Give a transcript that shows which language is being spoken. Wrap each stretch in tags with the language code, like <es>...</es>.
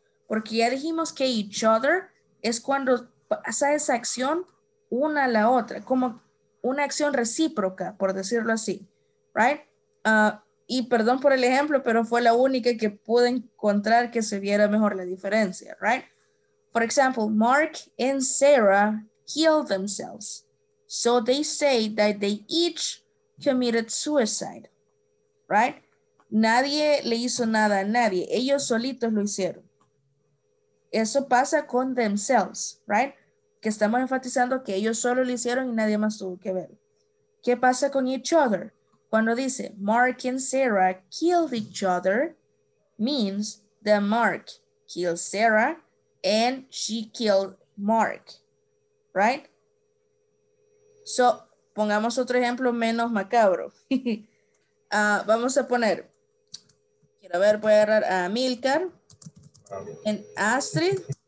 <es>Porque ya dijimos que each other es cuando pasa esa acción una a la otra, como una acción recíproca, por decirlo así, right? Y perdón por el ejemplo, pero fue la única que pude encontrar que se viera mejor la diferencia, right?</es> <en>For example, Mark and Sarah killed themselves. So they say that they each committed suicide, right?</en> <es>Nadie le hizo nada a nadie. Ellos solitos lo hicieron. Eso pasa con themselves, right? Que estamos enfatizando que ellos solo lo hicieron y nadie más tuvo que ver. ¿Qué pasa con each other? Cuando dice</es> <en>Mark and Sarah killed each other, means that Mark killed Sarah and she killed Mark, right?</en> <es>So, pongamos otro ejemplo menos macabro. vamos a poner, quiero ver, voy a agarrar a Milcar and Astrid.</es>